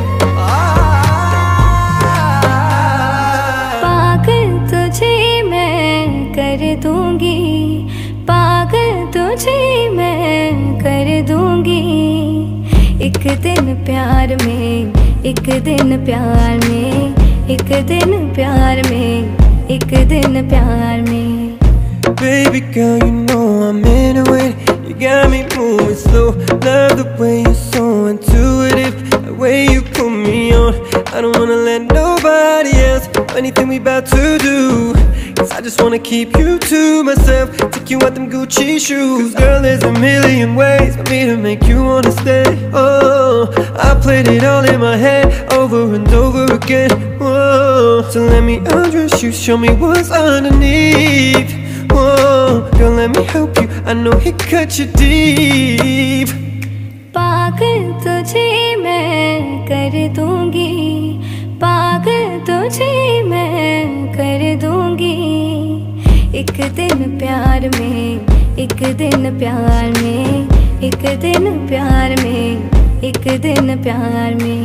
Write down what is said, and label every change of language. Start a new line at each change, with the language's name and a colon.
Hindi: पागल तुझे मैं कर दूंगी, पागल तुझे मैं कर दूंगी, एक दिन प्यार में, एक दिन प्यार में, एक दिन प्यार में, एक दिन प्यार में।
English: Baby girl, you know I'm into it. You got me moving slow. Love the way you're so intuitive. The way you put me on. I don't wanna let nobody else know anything we about to do. Cause I just wanna keep you to myself. Take you out them Gucci shoes. Cause girl, there's a million ways for me to make you wanna stay. Oh, I played it all in my head over and over again. Whoa. So let me undress you, show me what's underneath. Whoa. Girl, let me help you, I know it cuts you deep.
Hindi: पागल तुझे मैं कर दूंगी, पागल तुझे मैं कर दूंगी, एक दिन प्यार में, एक दिन प्यार में, एक दिन प्यार में, एक दिन प्यार में।